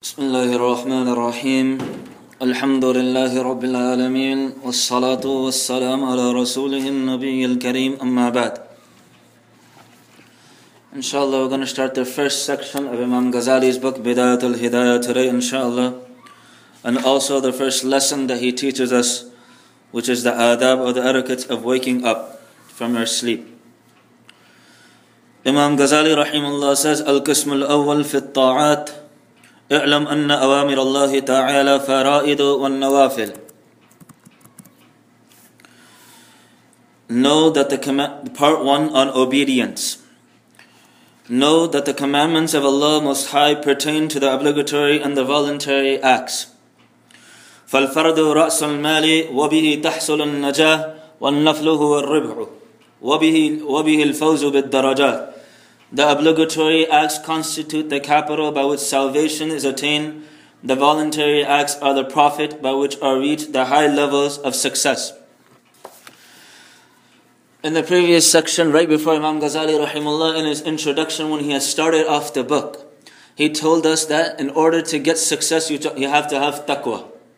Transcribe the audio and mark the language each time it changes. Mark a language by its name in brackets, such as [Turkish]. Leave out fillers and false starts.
[Arabic] بسم الله الرحمن الرحيم الحمد لله رب العالمين والصلاة والسلام على رسوله النبي الكريم أما بعد إن شاء الله [English] we're going to start the first section of Imam Ghazali's book بداية الهداية today إن شاء الله and also the first lesson that he teaches us which is the adab or the etiquette of waking up from your sleep. [Arabic] Imam Ghazali رحمه الله says القسم الأول في الطاعات اعلم أن أوامر الله تعالى فرائض والنوافل. [English] Know that the part one on obedience. Know that the commandments of Allah Most High pertain to the obligatory and the voluntary acts. [Arabic] فالفرد رأس المال وبه تحصل النجاة والنفل هو الربح وبه الفوز بالدرجات. [English] The obligatory acts constitute the capital by which salvation is attained. The voluntary acts are the profit by which are reached the high levels of success. In the previous section, right before Imam Ghazali rahimullah, in his introduction when he has started off the book, he told us that in order to get success, you have to have taqwa.